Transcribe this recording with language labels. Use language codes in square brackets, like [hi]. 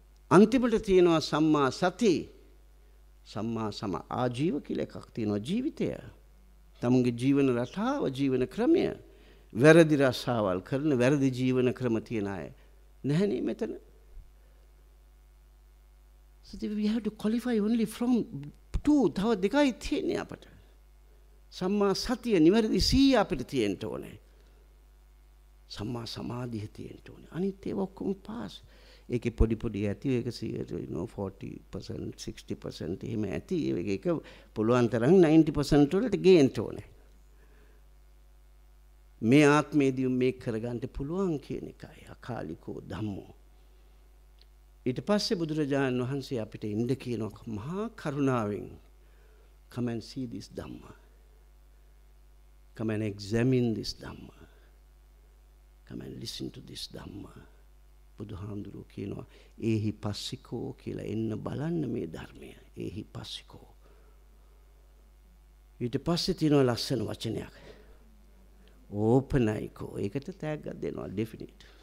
[si] අන්තිමට තියෙනවා සම්මා සති, සම්මා සම ආජීව කියලා එකක් තියෙනවා. ජීවිතය, තමන්ගේ ජීවන රටාව, ජීවන ක්‍රමය, වැරදි රසාවල් කරන, වැරදි ජීවන ක්‍රම තියන අය නැහැනේ මෙතන. [en] So we have to qualify only from two. [si] තව දෙකයි තියෙන්නේ අපට. සම්මා සතිය නිවැරදි සීය අපිට තියෙන්න ඕනේ. සම්මා සමාධිය තියෙන්න ඕනේ. අනිත් ඒවා ඔක්කොම පාස්. ඒකේ පොඩි පොඩි ඇති, ඒක 40%, 60% එහෙම ඇති. ඒක පුළුවන් තරම් 90% වලට ගේන්න ඕනේ. මේ ආත්මේදී මේ කරගන්න පුළුවන් කියන එකයි අකාලිකෝ ධම්මෝ. ඊට පස්සේ බුදුරජාණන් වහන්සේ අපිට ඉන්න කියන මහා කරුණාවෙන් [en] come and see this Dhamma, [si] come and examine this Dhamma, come and listen to this Dhamma. බුදුහාමුදුරුවෝ කියනවා ඒහි පස්සිකෝ කියලා, එන්න බලන්න මේ ධර්මය ඒහි පස්සිකෝ. ඊට පස්සේ තියෙනවා ලස්සන වචනයක් ඕපනයිකෝ. ඒකට තෑග්ගක් දෙනවා ඩෙෆිනිට්.